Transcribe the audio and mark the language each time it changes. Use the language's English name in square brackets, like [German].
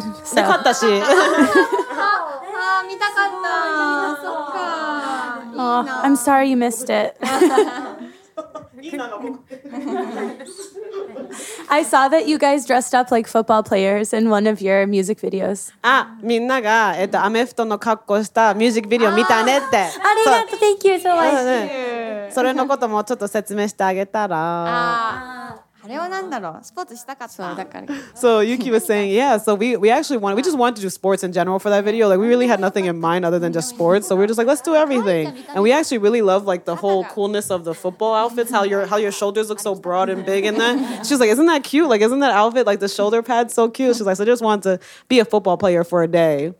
[Japanese] で勝ったし。見たかった。 [English] Oh, I'm sorry you missed it. I saw that you guys dressed up like football players in one of your music videos. [Japanese] Ah, みんながアメフトの格好したミュージックビデオ見たねって。ありがとう、 [English] thank you so much. [Japanese] それのこともちょっと説明してあげたら。あれはなんだろう、スポーツしたかった。だから。 [English] So Yuki was saying, yeah. So we actually wanted, we just wanted to do sports in general for that video. Like we really had nothing in mind other than just sports. So we were just like, let's do everything. And we actually really love like the whole coolness of the football outfits. How your shoulders look so broad and big in that. She's like, isn't that cute? Like isn't that outfit like the shoulder pads so cute? She's like, so I just wanted to be a football player for a day.